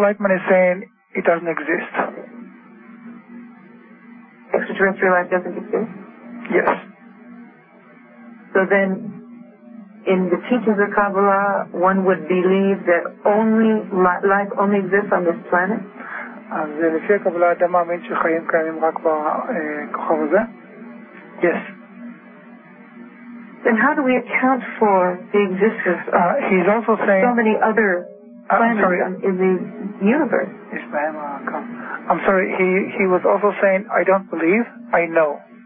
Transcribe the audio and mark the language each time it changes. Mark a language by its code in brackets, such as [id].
[en] Leitman is saying it doesn't exist. Extraterrestrial life doesn't exist? Yes. So then, in the teachings of Kabbalah, one would believe that only life only exists on this planet? [he] אז לפי הקבלה, אדם מאמין שחיים קיימים רק בכוכב הזה? [en] Yes. Then how do we account for the existence of he's also saying, so many other planets in the universe? Yes, ma'am. I'm sorry. He was also saying, I don't believe, I know.